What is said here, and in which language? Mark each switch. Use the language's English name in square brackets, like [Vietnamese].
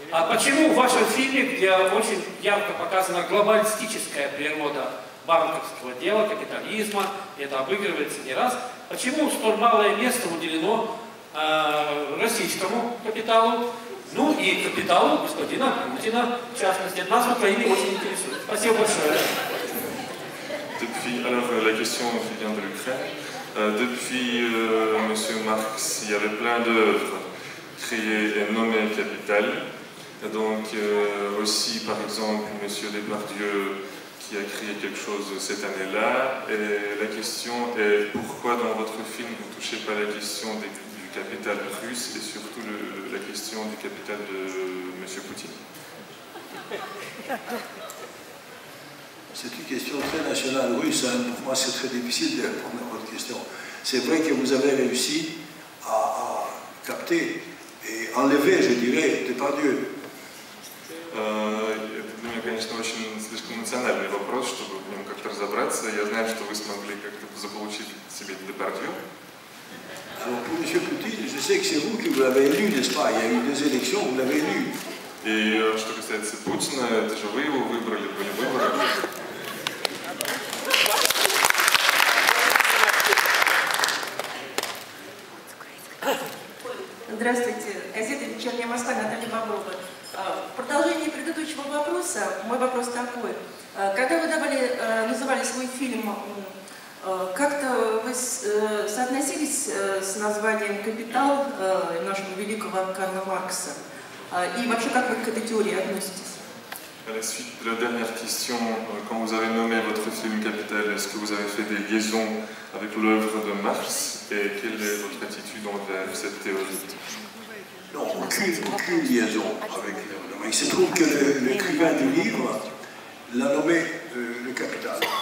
[Russian] Почему в вашем фильме, где очень ярко показана глобалистическая природа банковского дела, капитализма, и это обыгрывается не раз, почему столь малое место уделено российскому капиталу, ну и капиталу господина Путина, в частности, нас в Украине очень интересует. Спасибо большое. [French] La question vient de l'Ukraine. Depuis M. Marx, il y avait plein d'œuvres créer énorme capital. Et donc aussi, par exemple, M. Depardieu qui a créé quelque chose cette année-là. Et la question est pourquoi dans votre film, vous ne touchez pas la question du capital russe et surtout la question du capital de M. Poutine? C'est une question très nationale russe. Hein. Pour moi, c'est très difficile de répondre à votre question. C'est vrai que vous avez réussi à capter et enlever, je dirais, Depardieu. [Russian] Это для меня, конечно, очень слишком национальный вопрос, чтобы в нем как-то разобраться. Я знаю, что вы смогли как-то заполучить себе Депардье. [French] Alors, pour monsieur Poutine, je sais que c'est vous qui vous l'avez élu, n'est-ce pas? Il y a eu deux élections, vous l'avez élu. [Russian] И что касается Путина, это же вы его выбрали, были выборы. Здравствуйте. Газета «Вечерняя Москва», Наталья Попова. В продолжении предыдущего вопроса, мой вопрос такой. Когда вы называли свой фильм, как-то вы соотносились с названием «Капитал» нашего великого Карла Маркса? И вообще, как вы к этой теории относитесь? [French] À la suite de la dernière question, quand vous avez nommé votre film «Капитал», est-ce que vous avez fait des liaisons avec l'œuvre de Marx? Et quelle est votre attitude envers cette théorie? Non, aucune liaison avec l'œuvre de Marx. Il se trouve que l'écrivain du livre l'a nommé le Capital.